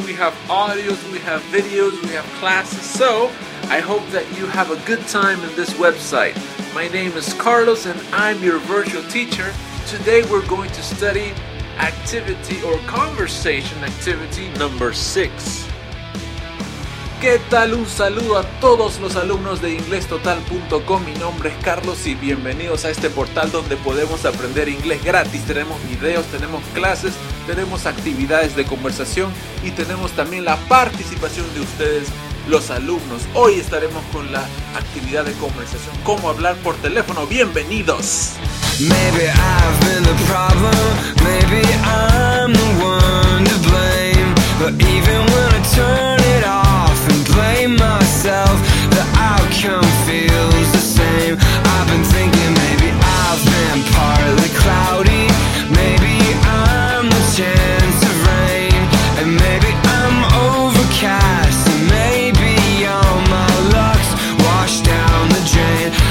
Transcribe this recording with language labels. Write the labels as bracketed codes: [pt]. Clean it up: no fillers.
[en] We have audios, we have videos, we have classes. So, I hope that you have a good time in this website. My name is Carlos and I'm your virtual teacher. Today we're going to study activity or conversation activity number 6. [es] ¿Qué tal? Un saludo a todos los alumnos de inglestotal.com. Mi nombre es Carlos y bienvenidos a este portal donde podemos aprender inglés gratis. Tenemos videos, tenemos clases, tenemos actividades de conversación y tenemos también la participación de ustedes, los alumnos. Hoy estaremos con la actividad de conversación, cómo hablar por teléfono. ¡Bienvenidos! [en] Maybe I've been the problem, maybe I'm the one to blame, but even when I turn it off and blame myself, the outcome feels the same. I've been thinking maybe I've been partly cloudy, maybe I'm the chance of rain, and maybe I'm overcast, and maybe all my luck's washed down the drain.